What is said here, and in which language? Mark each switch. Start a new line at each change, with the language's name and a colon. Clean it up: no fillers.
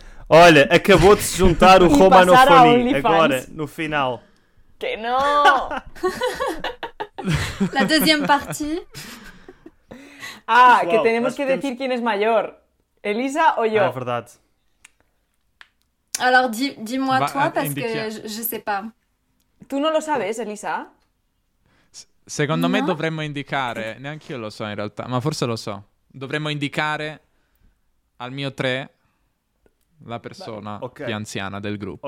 Portuguese: Olha, acabou de se juntar o Romanofoni agora, no final.
Spanish: Que no!
French: La deuxième partie.
Portuguese: Ah, pessoal,
Spanish: que tenemos que decir quién es mayor. Elisa o yo?
Portuguese: É verdade.
French: Alors, dis-moi toi, parce que je sais pas.
Spanish: Tu non lo sabes, Elisa?
Italian: Secondo me dovremmo indicare. Neanche io lo so, in realtà, ma forse lo so. Dovremmo indicare al mio 3 la persona più anziana del gruppo.